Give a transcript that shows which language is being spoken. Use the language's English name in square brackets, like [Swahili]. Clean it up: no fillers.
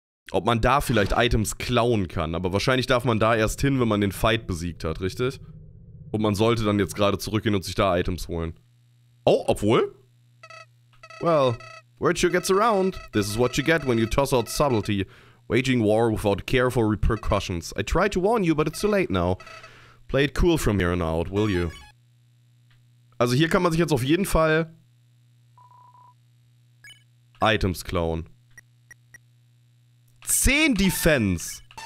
[German] Ob man da vielleicht Items klauen kann. Aber wahrscheinlich darf man da erst hin, wenn man den Fight besiegt hat, richtig? Und man sollte dann jetzt gerade zurückgehen und sich da Items holen. Oh, obwohl? [English] Well, virtue gets around. This is what you get when you toss out subtlety. Waging war without care for repercussions. I tried to warn you, but it's too late now. Play it cool from here on out, will you? [German] Also hier kann man sich jetzt auf jeden Fall Items klauen. [English] 10 Defense.